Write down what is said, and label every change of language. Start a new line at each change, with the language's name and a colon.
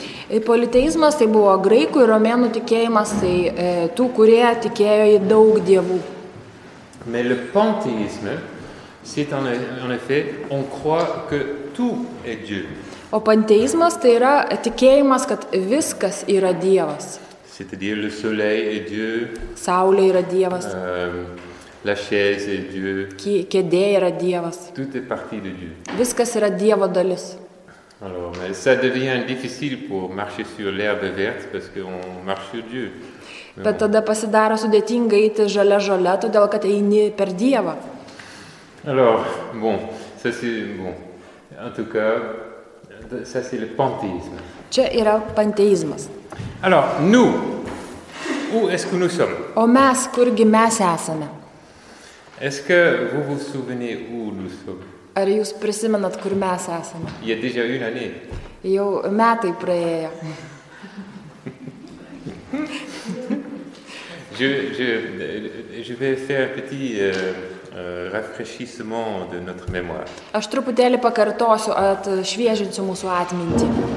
French: Et polythéismes,
Lithuanian: tai buvo graikų ir romėnų tikėjimas, tai tų, kurie tikėjo į daug dievų.
French: Mais le panthéisme, c'est en effet, on croit que tout est Dieu.
Lithuanian: O panteizmas tai yra tikėjimas, kad viskas yra Dievas.
French: C'est-à-dire le soleil est Dieu.
Lithuanian: Saulė yra Dievas.
French: La chaise est Dieu.
Lithuanian: Kėdė yra Dievas.
French: Tout est partie de Dieu.
Lithuanian: Viskas yra Dievo dalis.
French: Alors, mais ça devient difficile pour marcher sur l'herbe verte parce qu'on marche sur Dieu.
Lithuanian: Bet tada pasidaro sudėtinga eiti žalia žole, todėl kad eini per Dievą.
French: Alors, bon, ça c'est bon. En tout cas, ça c'est le panthéisme.
Lithuanian: Čia yra panteizmas.
French: Alors, nous, où est-ce que nous sommes?
Lithuanian: O mes, kurgi mes esame?
French: Est-ce que vous vous souvenez où nous sommes?
Lithuanian: Ar jūs prisimenat, kur mes esame?
French: Il y a déjà une année.
Lithuanian: Jau metai praėjo.
French: Je vais faire un petit rafraîchissement de notre mémoire.
Lithuanian: Aš truputėlį pakartosiu, atšviežinsiu mūsų atmintį.